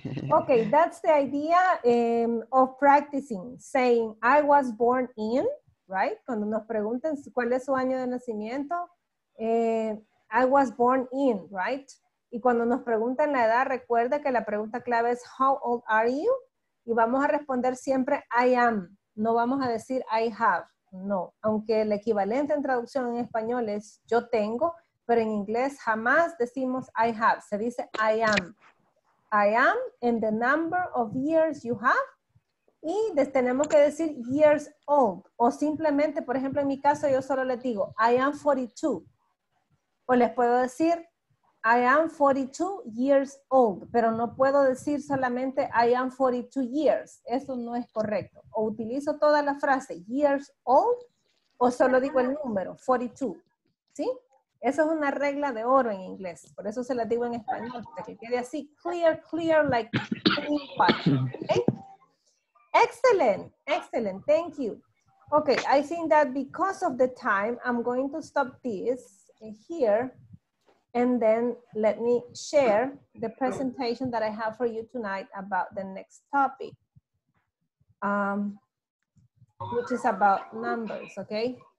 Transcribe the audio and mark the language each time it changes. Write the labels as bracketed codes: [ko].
[en] Okay, that's the idea of practicing, saying, I was born in, right? [es] Cuando nos pregunten cuál es su año de nacimiento, [en] I was born in, right? [es] Y cuando nos preguntan la edad, recuerda que la pregunta clave es, [en] how old are you? [es] Y vamos a responder siempre, I am. No vamos a decir, I have. No, aunque el equivalente en traducción en español es yo tengo, pero en inglés jamás decimos I have, se dice I am. [en] I am in the number of years you have, [es] y tenemos que decir years old, o simplemente, por ejemplo, en mi caso yo solo les digo I am 42, o les puedo decir I am 42 years old, pero no puedo decir solamente I am 42 years, eso no es correcto. O utilizo toda la frase years old o solo digo el número, 42, ¿sí? Esa es una regla de oro en inglés, por eso se la digo en español, para que quede así, [en] clear, clear, like clean water, [es] ¿okay? [en] Excellent, excellent, thank you. Okay, I think that because of the time, I'm going to stop this here. And then let me share the presentation that I have for you tonight about the next topic, which is about numbers, okay?